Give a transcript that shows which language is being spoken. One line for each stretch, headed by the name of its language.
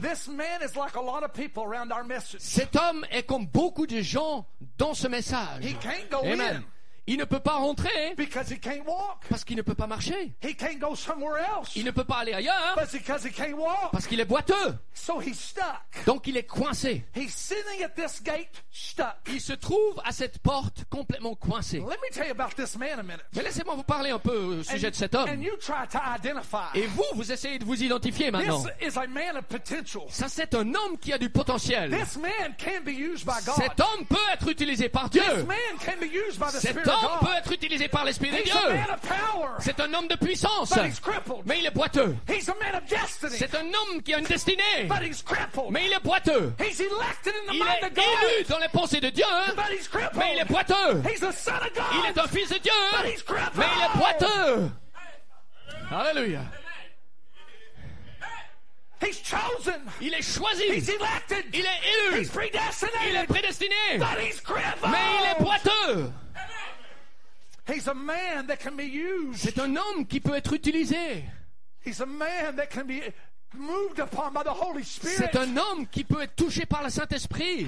English: This man is like a lot of people around our message.
French: Cet homme est comme beaucoup de gens dans ce message.
English: He can't go amen. In.
French: Il ne peut pas rentrer
English: because he can't walk.
French: Parce qu'il ne peut pas marcher.
English: He can't go somewhere else.
French: Il ne peut pas aller ailleurs
English: because he can't walk.
French: Parce qu'il est boiteux.
English: So he's stuck.
French: Donc il est coincé.
English: He's sitting at this gate stuck.
French: Il se trouve à cette porte complètement coincé.
English: Let me tell you about this man a minute.
French: Mais laissez-moi vous parler un peu au sujet
English: and,
French: de cet homme.
English: And you try to identify.
French: Et vous, vous essayez de vous identifier maintenant.
English: This is a man of potential.
French: Ça, c'est un homme qui a du potentiel.
English: This man can be used by God.
French: Cet homme peut être utilisé par Dieu.
English: This man can be used by the Spirit.
French: Cet homme peut être utilisé par l'Esprit de Dieu. C'est un homme de puissance. Mais il est boiteux. C'est un homme qui a une destinée. Mais il est boiteux. Il est élu dans les pensées de Dieu. Mais il est boiteux. Il est un fils de Dieu. Mais il est boiteux. Alléluia.
English: He's chosen.
French: Il est choisi.
English: He's elected.
French: Il est élu.
English: He's predestinated.
French: Il est prédestiné.
English: But he's crippled.
French: Mais il est boiteux.
English: He's a man that can be used.
French: C'est un homme qui peut être utilisé.
English: He's a man that can be moved upon by the Holy Spirit.
French: C'est un homme qui peut être touché par le Saint-Esprit.